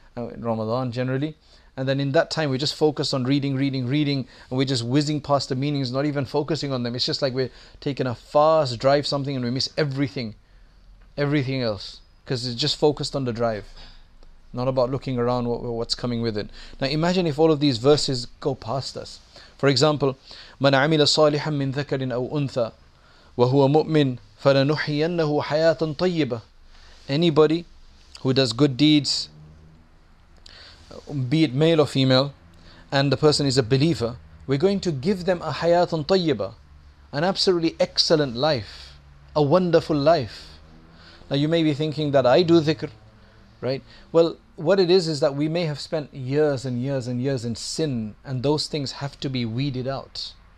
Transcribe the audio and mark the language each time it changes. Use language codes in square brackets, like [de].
[en] In Ramadan generally. And then in that time, we just focus on reading, and we're just whizzing past the meanings, not even focusing on them. It's just like we're taking a fast drive something and we miss everything else, because it's just focused on the drive, not about looking around what's coming with it. Now imagine if all of these verses go past us. For example, [ar] مَنْ عَمِلَ صَالِحًا مِنْ ذَكَرٍ أَوْ أُنْثَى وَهُوَ مُؤْمِنٌ فَلَنُحْيِيَنَّهُ حَيَاةً طَيِّبَةً. [en] Anybody who does good deeds, be it male or female, and the person is a believer, we're going to give them a [ar] حَيَاةً طَيِّبَةً, [en] an absolutely excellent life, a wonderful life. Now you may be thinking that I do dhikr, right? Well, what it is that we may have spent years and years and years in sin, and those things have to be weeded out.